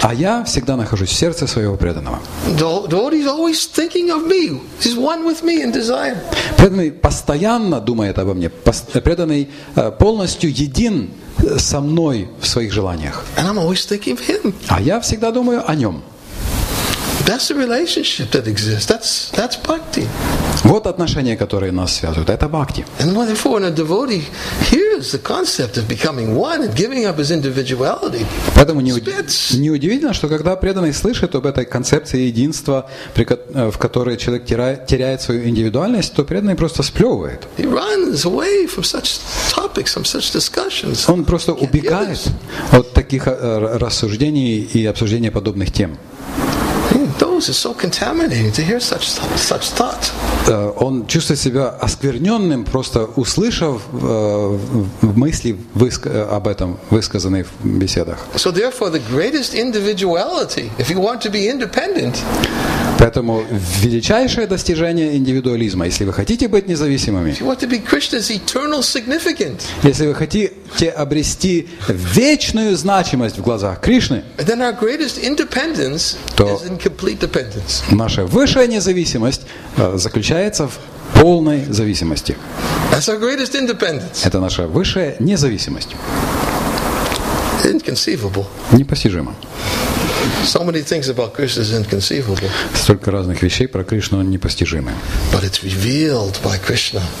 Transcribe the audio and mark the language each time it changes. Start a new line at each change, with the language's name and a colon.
Russian: А я всегда нахожусь в сердце своего преданного.
English: Devotee is always thinking of me. He's one with me in desire.
Russian: Преданный постоянно думает обо мне. Преданный полностью един со мной в своих желаниях.
English: And I'm always thinking of him.
Russian: А я всегда думаю о нем.
English: That's the relationship that exists. That's bhakti.
Russian: Вот отношения, которые нас связывают. Это бхакти.
English: And therefore, when a devotee hears the concept of becoming one and giving up his individuality,
Russian: поэтому неудивительно, что когда преданный слышит об этой концепции единства, в которой человек теряет свою индивидуальность, то преданный просто сплевывает.
English: He runs away from such topics, from such discussions.
Russian: Он просто убегает от таких рассуждений и обсуждения подобных тем.
English: Is so contaminating to hear such thoughts.
Russian: Он чувствует себя оскверненным, просто услышав мысли об этом, высказанные в беседах.
English: So therefore, the greatest individuality, if you want to be independent.
Russian: Поэтому величайшее достижение индивидуализма, если вы хотите быть независимыми.
English: If you want to be Krishna's eternal significance.
Russian: Если вы хотите обрести вечную значимость в глазах Кришны.
English: Then our greatest independence is in complete dependence.
Russian: Наша высшая независимость заключается в полной зависимости.
English: That's our greatest independence.
Russian: Это наша высшая независимость.
English: Inconceivable.
Russian: Непостижимо.
English: So many things about Krishna is inconceivable.
Russian: Столько разных вещей про Кришну непостижимы.
English: But it's revealed by Krishna.